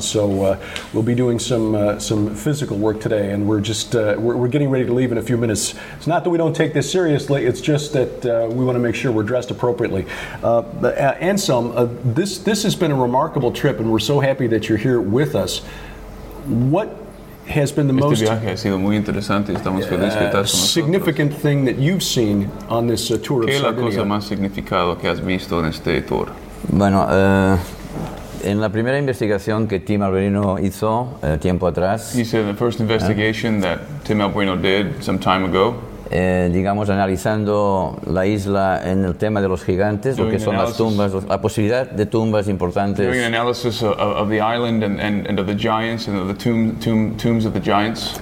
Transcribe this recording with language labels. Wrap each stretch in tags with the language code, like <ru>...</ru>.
<en>So we'll be doing some physical work today, and we're getting ready to leave in a few minutes. It's not that we don't take this seriously, it's just that we want to make sure we're dressed appropriately. Anselm, this has been a remarkable trip, and we're so happy that you're here with us. What has been the</en> <es>este viaje ha sido muy interesante, estamos felices que estás con nosotros.</es> <en>Significant thing that you've seen on this tour of Sardinia?</en> <es>¿Qué es la cosa más significado que has visto en este tour? Bueno, en la primera investigación que Tim Alberino hizo tiempo atrás,</es> <en>he said the first investigation that Tim Alberino did some time ago,</en> <es>digamos analizando la isla en el tema de los gigantes, lo que son</es> <en>analysis,</en> <es>las tumbas, la posibilidad de tumbas importantes.</es> <en>Doing an analysis of the island and of the giants and of the tombs of the giants.</en>